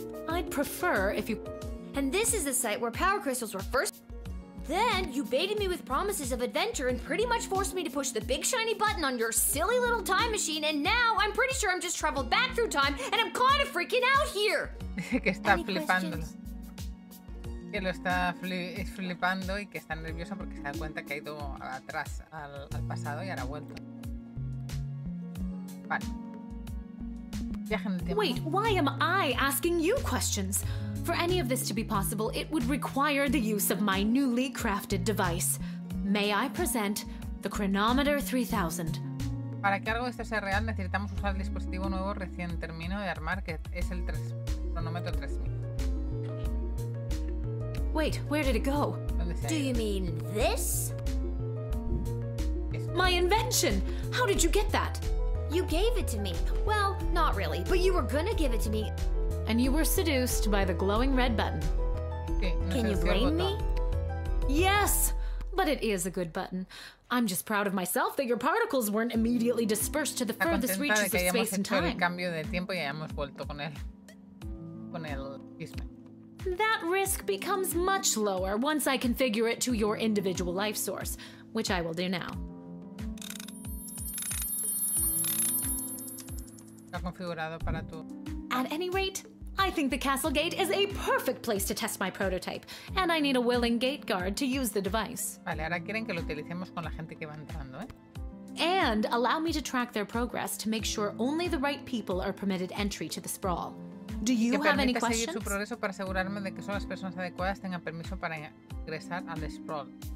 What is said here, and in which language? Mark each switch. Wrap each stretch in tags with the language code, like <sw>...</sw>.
<en>I'd prefer if you... And this is the site where power crystals were first... Then, you baited me with promises of adventure and pretty much forced me to push the big shiny button on your silly little time machine, and now I'm pretty sure I'm just traveled back through time and I'm kind of freaking out here!</en> <es>Que está flipando. Que lo está flipando y que está nervioso porque se da cuenta que ha ido atrás al pasado y ahora ha vuelto. Vale. Viaje en el tiempo.</es> <en>Wait, why am I asking you questions? For any of this to be possible, it would require the use of my newly crafted device. May I present the Chronometer 3000.</en> <es>Para que algo de esto sea real, necesitamos usar el dispositivo nuevo recién terminado de armar, que es el cronómetro 3000.</es> <en>Wait, where did it go? Do you mean this? My invention! How did you get that? You gave it to me. Well, not really, but you were gonna give it to me. And you were seduced by the glowing red button. Can you blame me? Yes, but it is a good button. I'm just proud of myself that your particles weren't immediately dispersed to the furthest reaches of space and time.</en> <es>El cambio de tiempo y hayamos vuelto con el chisme.</es> <en>That risk becomes much lower once I configure it to your individual life source, which I will do now.</en> <es>Está configurado para tu...</es> <en>At any rate, I think the castle gate is a perfect place to test my prototype, and I need a willing gate guard to use the device.</en> <es>Vale, ahora quieren que lo utilicemos con la gente que va entrando, ¿eh?</es> <en>And allow me to track their progress to make sure only the right people are permitted entry to the sprawl. Do you have any questions?</en> <es>Que permita seguir su progreso para asegurarme de que solo las personas adecuadas tengan permiso para ingresar al sprawl.</es>